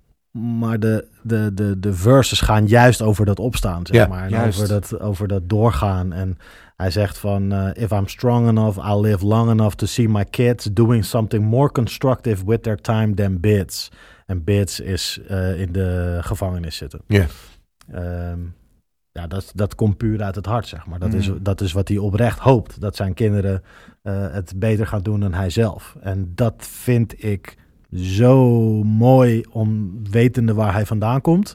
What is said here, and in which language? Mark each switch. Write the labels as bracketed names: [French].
[Dutch] Maar de verses gaan juist over dat opstaan, zeg maar. Juist. Over dat doorgaan. En hij zegt van [English] if I'm strong enough, I'll live long enough to see my kids doing something more constructive with their time than bits. [Dutch] En bits is in de gevangenis zitten. Ja, dat komt puur uit het hart, zeg maar. Dat is wat hij oprecht hoopt. Dat zijn kinderen het beter gaan doen dan hij zelf. En dat vind ik zo mooi om wetende waar hij vandaan komt.